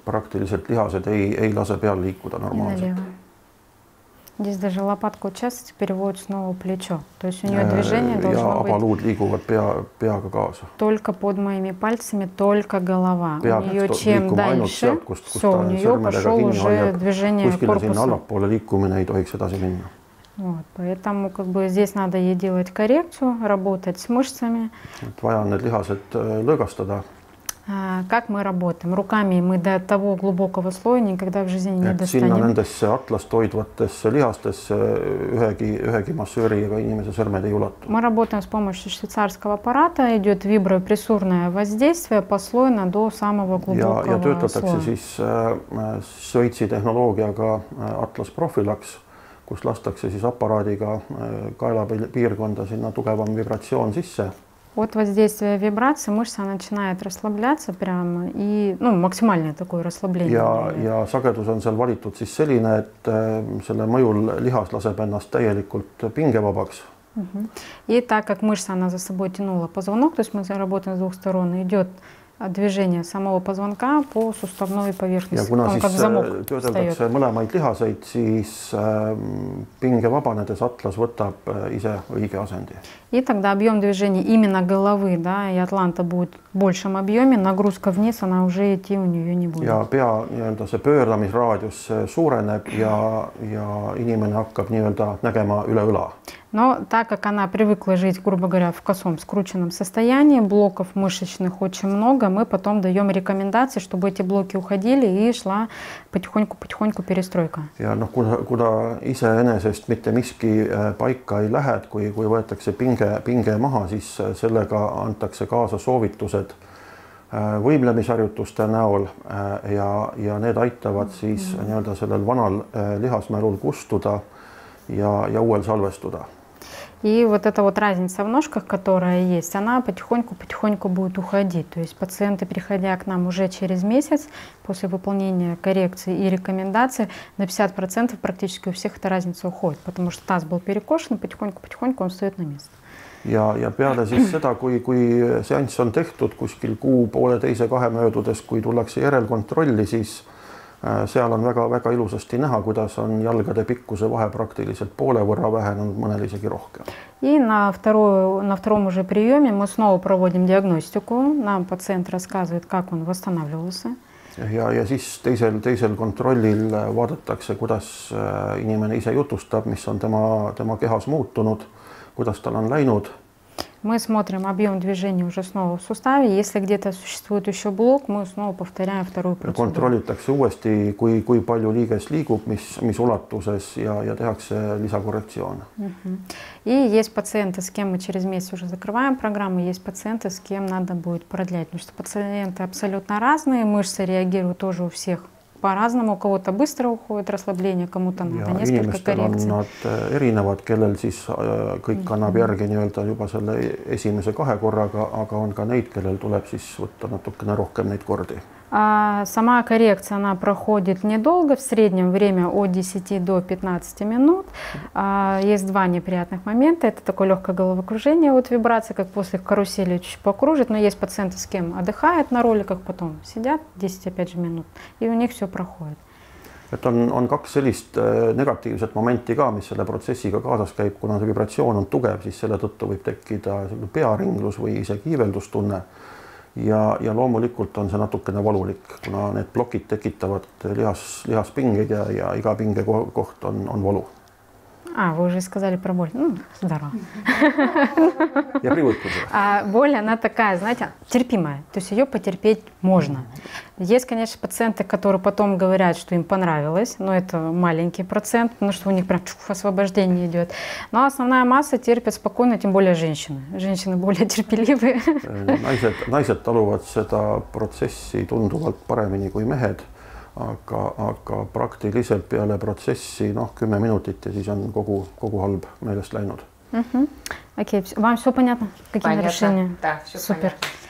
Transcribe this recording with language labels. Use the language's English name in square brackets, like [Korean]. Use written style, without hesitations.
[Russian] Практически [Estonian] лихасы ei lase peal liikuda [Russian] нормально. Здесь даже лопатку участок переводит снова плечо. То есть у нее движение должно быть... [Estonian] Ja абалуд liiguvad peaga kaasa. [Russian] Только под моими пальцами, только голова. [Estonian] Peab, [Russian] у нее чем дальше, [Estonian] seal, kust [Russian] все, у нее пошел уже движение [Estonian] kuskile [Russian] корпуса. [Estonian] Kuskile sinna allapoole liikumine ei tohiks edasi minna. [Russian] Вот, поэтому как бы здесь надо ей делать коррекцию, работать с мышцами. [Estonian] Vaja on need lihased lõõgastada. [Russian] Как мы работаем? Руками мы до того глубокого слоя никогда в жизни не достанем. [Estonian] Sinna nendesse atlast hoidvatesse lihastesse ühegi massööri ega inimese sõrmed ei ulatu. [Russian] Мы работаем с помощью швейцарского аппарата, идет вибропрессурное воздействие послойно до самого глубокого слоя. [Estonian] Ja töötatakse siis Šveitsi tehnoloogiaga Atlas Profilax, kus lastakse siis aparaadiga kaela piirkonda sinna tugevam vibratsioon sisse. [Russian] от воздействия вибрации мышца начинает расслабляться прямо и, ну, максимальное такое расслабление. [Estonian] Ja sagedus on seal valitud siis selline, et selle mõjul lihas laseb ennast täielikult pingevabaks. [Russian] И так как мышца она за собой тянула позвонок, то есть мы заработаем с двух сторон, идет движение самого позвонка по суставной поверхности. [Estonian] Ja kuna siis töödeldakse mõlemaid lihaseid, siis pinge vabanedes atlas võtab ise õige asendi. [Russian] И тогда объем движения именно головы, да, и атланта будет в большем объеме, нагрузка вниз, она уже идти у нее не будет. [Estonian] Ja pea nii-öelda see pöördamisraadius suureneb ja inimene hakkab nii-öelda nägema üle õla. [Russian] Но так как она привыкла жить, грубо говоря, в косом скрученном состоянии, блоков мышечных очень много, мы потом даем рекомендации, чтобы эти блоки уходили и шла потихоньку-потихоньку перестройка. [Estonian] Ja noh, kuna iseenesest mitte miski paika ei lähe, kui võetakse pinge maha, siis sellega antakse kaasa soovitused võimlemisharjutuste näol ja need aitavad siis nii-öelda sellel vanal lihasmärul kustuda ja uuel salvestuda. [Russian] И вот эта вот разница в ножках, которая есть, она потихоньку-потихоньку будет уходить. То есть пациенты, приходя к нам уже через месяц, после выполнения коррекции и рекомендации, на 50% практически у всех эта разница уходит, потому что таз был перекошен, потихоньку-потихоньку он встает на место. [Estonian] Ja peale siis seda, kui seanss on tehtud kuskil kuu poole teise kahe möödudes, kui tullakse järelkontrolli, siis seal on väga ilusasti näha, kuidas on jalgade pikkuse vahe praktiliselt poole võrra vähenud, mõnel isegi rohkem. [Russian] И на втором уже приеме мы снова проводим диагностику. Нам пациент рассказывает, как он восстанавливался. [Estonian] Ja siis teisel kontrollil vaadatakse, kuidas inimene ise jutustab, mis on tema kehas muutunud, kuidas tal on läinud. [Russian] Мы смотрим объем движения уже снова в суставе. Если где-то существует еще блок, мы снова повторяем вторую процедуру. [Estonian] Контролитакse uuesti, kui palju liiges liigub, mis ulatuses ja tehakse lisakorrektsioon. [Russian] И есть пациенты, с кем мы через месяц уже закрываем программу, есть пациенты, с кем надо будет продлять. Потому что пациенты абсолютно разные, мышцы реагируют тоже у всех по-разному. У кого-то быстро уходит расслабление, кому-то надо несколько коррекций. [Estonian] Inimestel on nad erinevad, kellel siis kõik annab järgi nii-öelda juba selle esimese kahe korraga, aga on ka neid, kellel tuleb siis võtta natukene rohkem neid kordi. [Russian] Сама коррекция, она проходит недолго, в среднем время от 10 до 15 минут. Есть два неприятных момента. Это такое легкое головокружение от вибрации, как после карусели чуть покружит. Но есть пациенты, с кем отдыхают на роликах, потом сидят 10 опять же минут, и у них все проходит. Это [Estonian] on kaks sellist negatiivset momenti ka, mis selle protsessiga kaasas käib. Kuna see vibratsioon on tugev, siis selle tõttu võib tekkida pearinglus või isegi kiiveldustunne. Ja loomulikult on see natukene valulik, kuna need blokid tekitavad lihas pingeid ja iga pinge koht on valu. [Russian] Вы уже сказали про боль. Ну, здорово. Я привык уже. Боль, она такая, знаете, терпимая. То есть ее потерпеть можно. Есть, конечно, пациенты, которые потом говорят, что им понравилось, но это маленький процент, потому что у них прям освобождение идет. Но основная масса терпит спокойно, тем более женщины. Женщины более терпеливые. [Estonian] Naised taluvad seda protsessi tunduvalt paremini kui mehed. Aga praktiliselt peale protsessi, noh, 10 minutit ja siis on kogu halb meelest läinud. Okei, vaam see põnjata? Põnjata, da, see põnjata.